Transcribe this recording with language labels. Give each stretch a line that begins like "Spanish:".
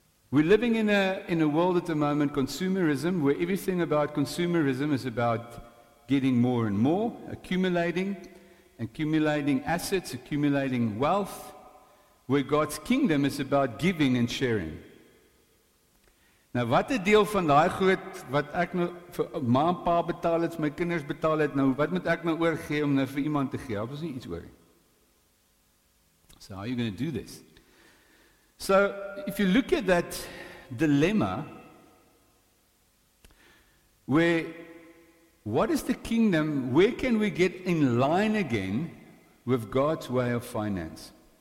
English: We're living in a world at the moment, consumerism, where everything about consumerism is about getting more and more, accumulating assets, accumulating wealth, where God's kingdom is about giving and sharing.
Afrikaans: Nou wat 'n deel van daai groot wat ek nou vir ma en pa betaal het, my kinders betaal het, nou wat moet ek nou oorgee om nou vir iemand te gee? Daar is nie iets oor nie.
English: So how are you going to do this? So if you look at that dilemma, where what is the kingdom? Where can we get in line again with God's way of finance?